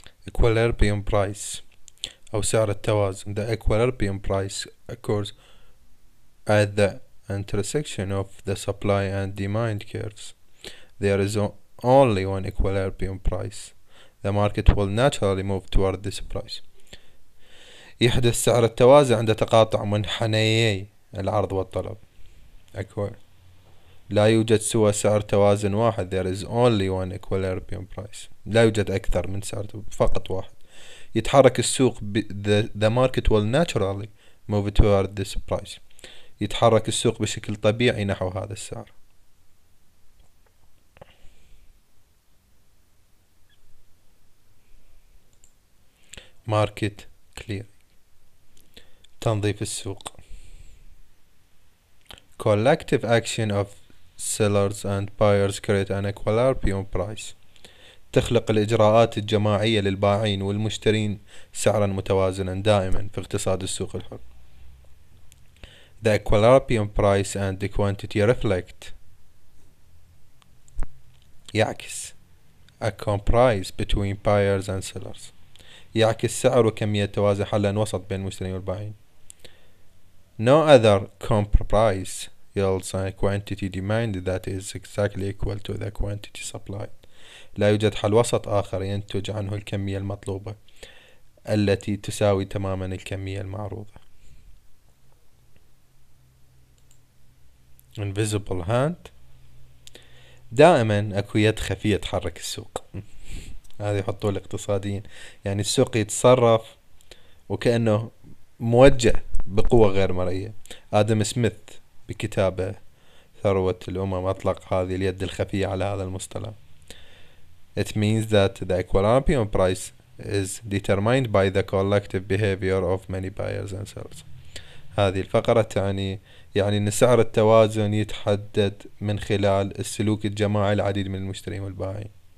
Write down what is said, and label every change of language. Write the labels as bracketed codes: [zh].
[en] Equilibrium price [ar] أو سعر التوازن. [en] The equilibrium price occurs at the intersection of the supply and demand curves. There is only one equilibrium price. The market will naturally move toward this price. [ar] يحدث سعر التوازن عند تقاطع منحنيي العرض والطلب. لا يوجد سوى سعر توازن واحد. [en] There is only one equilibrium price. [ar] لا يوجد أكثر من سعر، فقط واحد. يتحرك السوق [en] the market will naturally move toward this price. [ar] يتحرك السوق بشكل طبيعي نحو هذا السعر. [en] Market clearing، [ar] تنظيف السوق. [en] Collective action of sellers and buyers create an equilibrium price. [ar] تخلق الإجراءات الجماعية للبائعين والمشترين سعرا متوازنا دائما في اقتصاد السوق الحر. [en] The equilibrium price and the quantity reflect يعكس a compromise between buyers and sellers. [ar] يعكس سعر وكمية توازن حلا وسط بين المشترين والبائعين. [en] No other compromise yields a quantity demand that is exactly equal to the quantity supplied. [ar] لا يوجد حل وسط آخر ينتج عنه الكمية المطلوبة التي تساوي تماما الكمية المعروضة. [en] Invisible hand. [ar] دائما اكو يد خفية تحرك السوق. هذه يحطوه الاقتصاديين، يعني السوق يتصرف وكأنه موجه بقوة غير مرئية. آدم سميث بكتابه ثروة الأمم أطلق هذه اليد الخفية على هذا المصطلح. [en] It means that the equilibrium price is determined by the collective behavior of many buyers and sellers. [ar] هذه الفقرة تعني يعني أن سعر التوازن يتحدد من خلال السلوك الجماعي العديد من المشترين والبائعين.